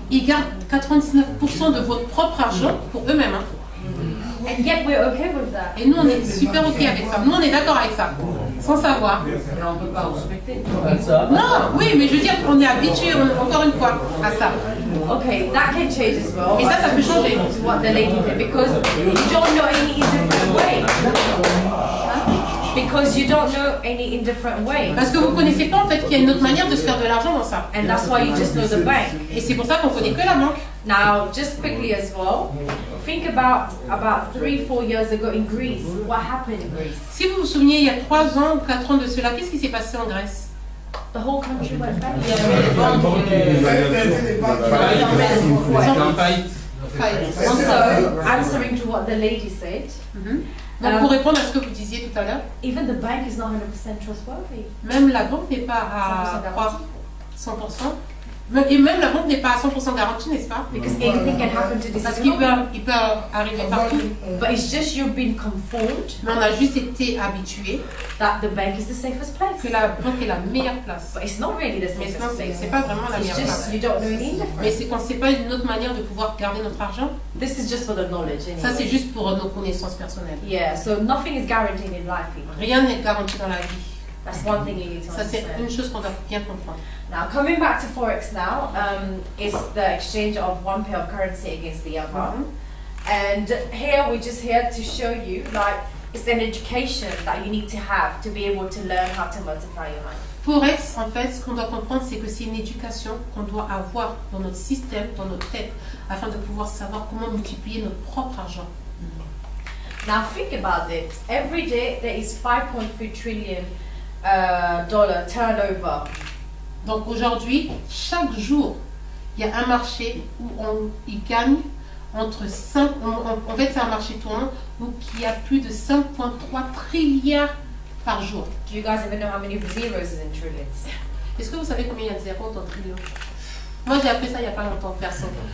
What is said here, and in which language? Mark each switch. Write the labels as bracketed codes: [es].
[fr] Ils gardent 99% de votre propre argent pour eux-mêmes. Hein. [en] And yet we're okay with that. [fr] Et nous, on est super ok avec ça. Nous, on est d'accord avec ça. Sans savoir. Mais on ne peut pas respecter. Non, oui, mais je veux dire qu'on est habitué, encore une fois, à ça. [en] Ok, that can change as well. [fr] Et ça, ça peut changer. [en] To what the lady did, because you don't know any different way. Because you don't know any in different way. [fr] Parce que vous ne connaissez pas en fait qu'il y a une autre manière de se faire de l'argent dans ça. [en] And that's why you just know the bank. [fr] Et c'est pour ça qu'on ne connaît que la banque. [en] Now, just quickly as well, think about 3-4 years ago in Greece. What happened in Greece? [fr] Si vous vous souvenez, il y a 3 ans ou 4 ans de cela, qu'est-ce qui s'est passé en Grèce? [en] The whole country went back. And so, answering to what the lady said. [fr] Donc pour répondre à ce que vous disiez tout à l'heure, [en] even the bank is not 100% trustworthy. [fr] Même la banque n'est pas à 100%. Et même la banque n'est pas à 100% garantie, n'est-ce pas? [en] Because anything can happen to this. [fr] Parce qu'il peut arriver partout. [en] But it's just you've been conformed. [fr] Mais on a juste été habitué. [en] That the bank is the safest place. [fr] Que la banque est la meilleure place. [en] But it's not really the safest place. [fr] C'est pas vraiment la meilleure place. [en] You don't know any difference. [fr] Mais c'est qu'on ne sait pas une autre manière de pouvoir garder notre argent. [en] This is just for the knowledge. Anyway. [fr] Ça c'est juste pour nos connaissances personnelles. [en] Yeah. So nothing is guaranteed in life. Either. [fr] Rien n'est garanti dans la vie. [en] That's one thing you need to understand. [fr] Ça, c'est une chose qu'on doit bien comprendre. [en] Now, coming back to Forex now, is the exchange of one pair of currency against the other. Mm-hmm. And here, we're just here to show you, like, it's an education that you need to have to be able to learn how to multiply your money. [fr] Forex, en fait, ce qu'on doit comprendre, c'est que c'est une éducation qu'on doit avoir dans notre système, dans notre tête, afin de pouvoir savoir comment multiplier notre propre argent. [en] Mm-hmm. Now, think about it. Every day, there is 5.3 trillion dollar turnover. [fr] Donc aujourd'hui, chaque jour, il y a un marché où on y gagne entre 5, en fait c'est un marché tournant où il y a plus de 5.3 trilliards par jour. [en] Do you guys even know how many zeros is in trillions? [fr] Est-ce que vous savez combien il y a de zéros dans trillions? Moi j'ai appris ça il n'y a pas longtemps, perso.